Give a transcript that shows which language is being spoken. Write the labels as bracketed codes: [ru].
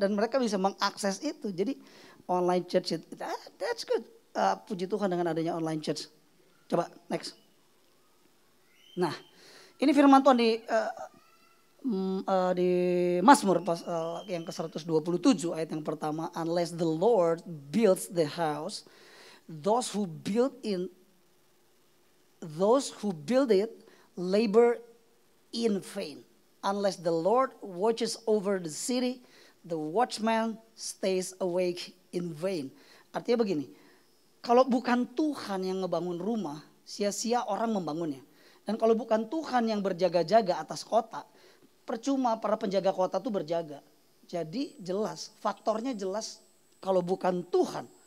[id] Dan mereka bisa mengakses itu. Jadi online church, [en] that's good. [id] Puji Tuhan dengan adanya online church. Coba, next. Nah, ini firman Tuhan di Mazmur yang ke-127 ayat yang pertama. [en] Unless the Lord builds the house, those who build it labor in vain. Unless the Lord watches over the city, the watchman stays awake in vain. [id] Artinya begini, kalau bukan Tuhan yang ngebangun rumah, sia-sia orang membangunnya. Dan kalau bukan Tuhan yang berjaga-jaga atas kota, percuma para penjaga kota itu berjaga. Jadi jelas, faktornya jelas kalau bukan Tuhan.